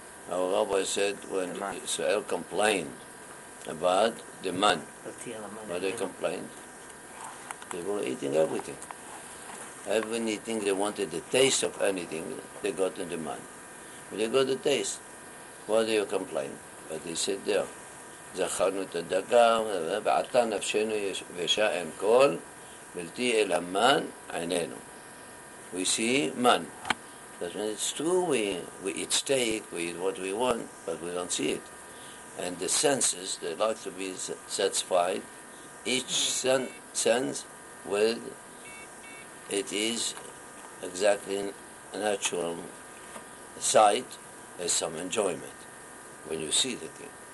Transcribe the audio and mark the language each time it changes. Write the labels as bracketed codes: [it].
[en] Our rabbi said when Israel complained about the man. But they complained. They were eating everything. Everything they wanted, the taste of anything, they got in the man. But they got the taste. Why do you complain? But they said there. [he] זכרנו את הדגם, ועתה נפשנו ישע אין כל, בלתי אל המן עינינו. [en] We see man. That means it's true, we eat steak, we eat what we want, but we don't see it. And the senses, they like to be satisfied, each sense with it is exactly a natural sight as some enjoyment when you see the thing.